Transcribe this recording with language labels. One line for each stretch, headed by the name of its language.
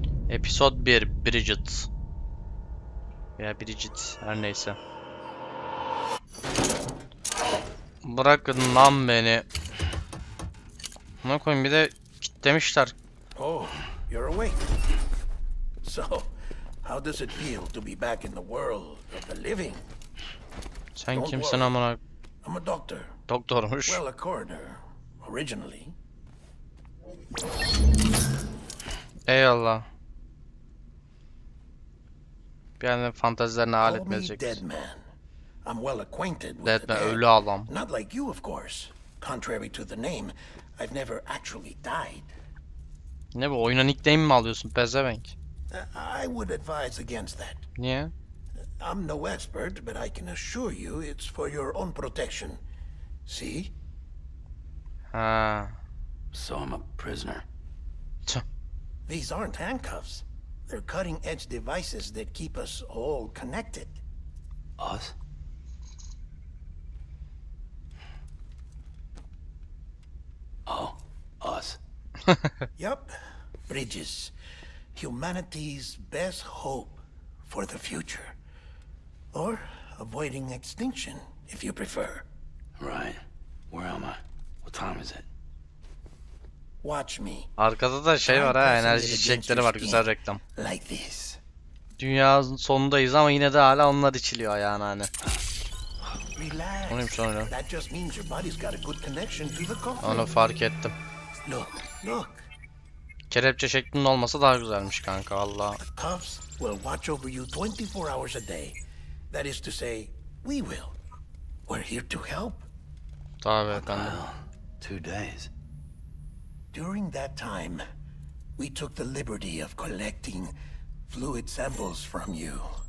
Turkish: Episode 1, Bridget. Veya Bridget, her neyse. Bırakın lan beni. Buna koyayım, bir de kitlemişler.
English: Oh, you're awake. So, how does it feel to be back in the world of the living?
Turkish: Sen kimsin amına?
English: I'm a doctor.
Turkish: Doktormuş.
English: Well, a coroner, originally.
Turkish: Eyvallah. Yani fantezilerine alet edecek.
English: Dead man. I'm well acquainted with dead man,
Turkish: ölü adam.
English: Not like you of course. Contrary to the name, I've never actually died.
Turkish: Ne bu, oyuna nickname mi alıyorsun pezevenk?
English: I would advise against that.
Turkish: Niye?
English: I'm no expert, but I can assure you it's for your own protection. See? So I'm a prisoner. These aren't handcuffs. They're cutting-edge devices that keep us all connected. Us? Oh, us. Yep. Bridges. Humanity's best hope for the future. Or avoiding extinction, if you prefer. Right. Where am I? What time is it? Watch me.
Turkish: Arkada da şey var ha, enerji çiçekleri var, güzel reklam.
English: Like this.
Turkish: Dünyanın sonundayız ama yine de hala onlar içiliyor ayağına hani.
English: Relax.
Turkish: Onu sonra.
English: That just means your body's got a good connection to the coffin.
Turkish: Onu fark ettim.
English: Look, look.
Turkish: Kelepçe şeklinde olmasa daha güzelmiş kanka, valla.
English: Cuffs will watch over you 24 hours a day. That is to say, we will. We're here to help.
Turkish: Tabii efendim.
English: 2 days. During that time, we took the liberty of collecting fluid samples from you.